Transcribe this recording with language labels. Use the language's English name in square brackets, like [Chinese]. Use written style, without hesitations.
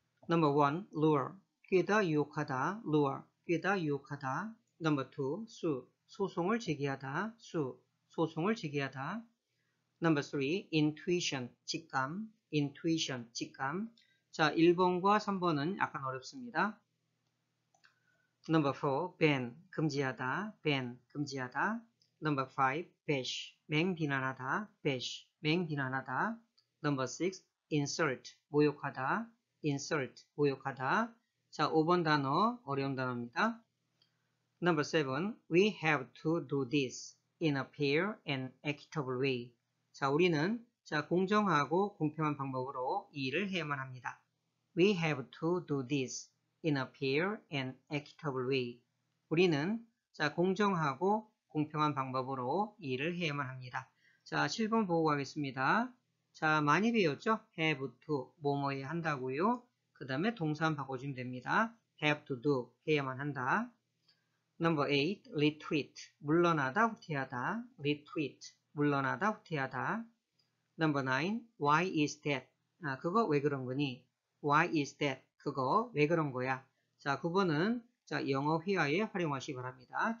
[English] Number 1. Lure. 꾀다, 유혹하다. Lure. 꾀다, 유혹하다. Number 2. Sue. [Korean] 소송을 제기하다. Sue. 소송을 제기하다. Number 3. Intuition. 직감. Intuition. 직감. 자, 1번과 3번은 약간 어렵습니다. [English] Number 4, ban, 금지하다, ban, 금지하다. Number 5, bash, 맹비난하다, bash, 맹비난하다. Number 6, insult, 모욕하다, insult, 모욕하다. [Korean] 자, 5번 단어, 어려운 단어입니다. [English] Number 7, we have to do this in a fair and equitable way. [Korean] 자, 우리는 자 공정하고 공평한 방법으로 이 일을 해야만 합니다. [English] We have to do this in a fair and equitable way. [Korean] 우리는 자 공정하고 공평한 방법으로 일을 해야만 합니다. 자 7번 보고 가겠습니다. 자 많이 배웠죠? Have to 뭐뭐해 한다고요. 그 다음에 동사만 바꿔주면 됩니다. Have to do 해야만 한다. [English] Number 8. [Korean] Retreat 물러나다 후퇴하다. Retreat 물러나다 후퇴하다. [English] Number 9. Why is that? [Korean] 아 그거 왜 그런 거니? [English] Why is that? [Korean] 그거 왜 그런 거야? 자, 9번은 자, 영어 회화에 활용하시기 바랍니다.